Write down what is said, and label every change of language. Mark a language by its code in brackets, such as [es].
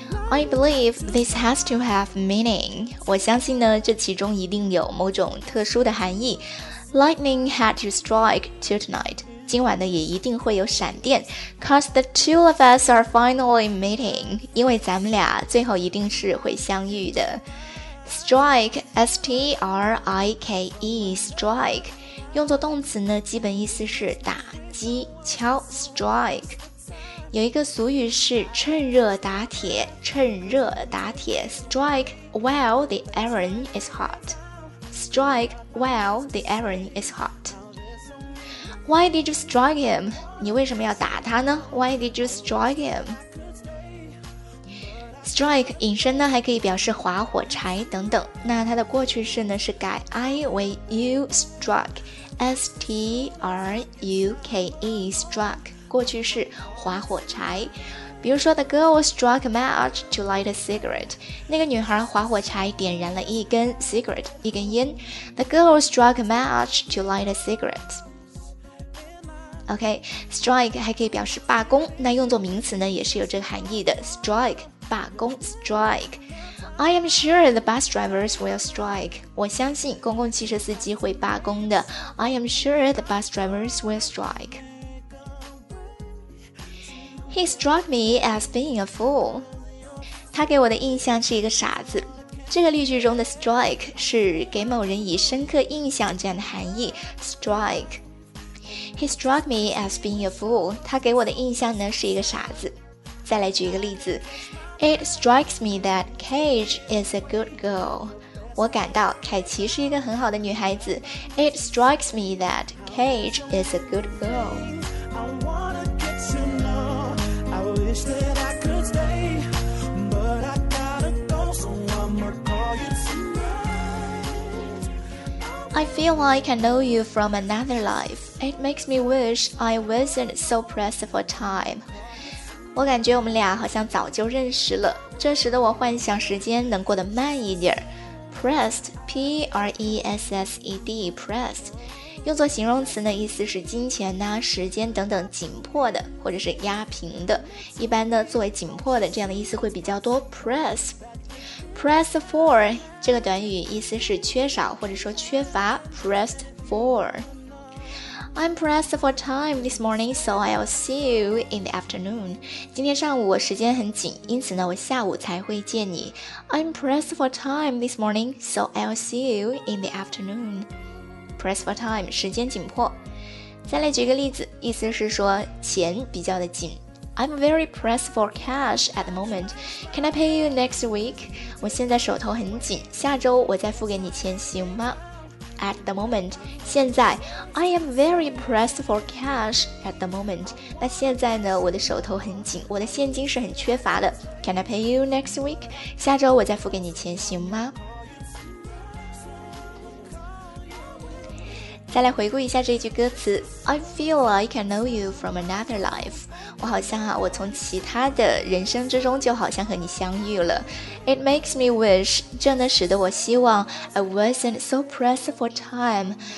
[en] I believe this has to have meaning. [zh] 我相信呢，这其中一定有某种特殊的含义。 [en] Lightning had to strike till tonight. [zh] 今晚呢，也一定会有闪电。 [en] Cause the two of us are finally meeting. [zh] 因为咱们俩最后一定是会相遇的。 [en] Strike, S-T-R-I-K-E, strike. [zh] 用作动词呢，基本意思是打击、敲 strike. 有一个俗语是趁热打铁，趁热打铁 , [en] strike while the iron is hot. Strike while the iron is hot. Why did you strike him? [zh] 你为什么要打他呢 ? [en] Why did you strike him? [zh] Strike 引申呢还可以表示划火柴等等。那它的过去式呢是改 I 为 you struck, S-T-R-U-K-E, struck. 过去式划火柴，比如说 [en] The girl struck a match to light a cigarette. [zh] 那个女孩划火柴点燃了一根 cigarette, 一根烟。 [en] The girl struck a match to light a cigarette. [zh] OK, strike 还可以表示罢工，那用作名词呢也是有这个含义的。 [en] Strike, 罢工 strike. I am sure the bus drivers will strike. [zh] 我相信公共汽车司机会罢工的。 [en] I am sure the bus drivers will strike. He struck me as being a fool. [zh] 他给我的印象是一个傻子。这个例句中的 strike 是给某人以深刻印象这样的含义。 [en] Strike. He struck me as being a fool. [zh] 他给我的印象呢是一个傻子。再来举一个例子。 [en] It strikes me that Cage is a good girl. [zh] 我感到凯奇是一个很好的女孩子。 [en] It strikes me that Cage is a good girl. I feel like I know you from another life. It makes me wish I wasn't so pressed for time. [zh] 我感觉我们俩好像早就认识了，这使得我幻想时间能过得慢一点。 [en] Pressed, P-R-E-S-S-E-D, pressed. [zh] 用作形容词呢，意思是金钱呐、时间等等紧迫的，或者是压平的。一般呢，作为紧迫的这样的意思会比较多。 [en] Press. Pressed for [zh] 这个短语意思是缺少或者说缺乏 [en] Pressed for I'm pressed for time this morning so I'll see you in the afternoon [zh] 今天上午我时间很紧因此呢我下午才会见你 [en] I'm pressed for time this morning so I'll see you in the afternoon Pressed for time [zh] 时间紧迫再来举个例子意思是说钱比较的紧 [en] I'm very pressed for cash at the moment. Can I pay you next week? [zh] 我现在手头很紧，下周我再付给你钱行吗？ [en] At the moment, 现在 I am very pressed for cash at the moment. [zh] 那现在呢，我的手头很紧，我的现金是很缺乏的。 [en] Can I pay you next week? [zh] 下周我再付给你钱行吗？再来回顾一下这句歌词 [en] I feel like I know you from another life [zh] 我好像啊我从其他的人生之中就好像和你相遇了 [en] It makes me wish [zh] 这呢使得我希望 [en] I wasn't so pressed for time